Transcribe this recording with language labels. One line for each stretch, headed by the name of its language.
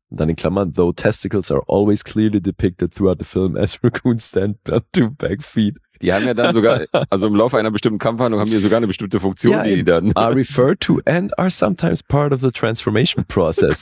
German: Und dann in Klammern,
English: though testicles are always clearly depicted throughout the film as raccoons stand on two back feet.
German: Die haben ja dann sogar, also im Laufe einer bestimmten Kampfhandlung haben die sogar eine bestimmte Funktion, ja, die dann...
English: are referred to and are sometimes part of the transformation process.